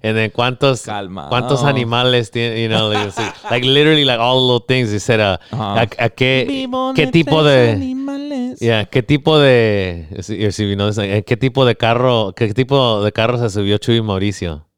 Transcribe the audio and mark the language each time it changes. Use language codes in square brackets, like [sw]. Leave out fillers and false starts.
[en] And then [es] ¿cuántos animales tiene? [en] You know, like, like literally like all the little things. They said, [es] ¿qué tipo de animales? Yeah, ¿qué tipo de, [en] you know, like, [es] ¿qué tipo de carro se subió Chuy Mauricio?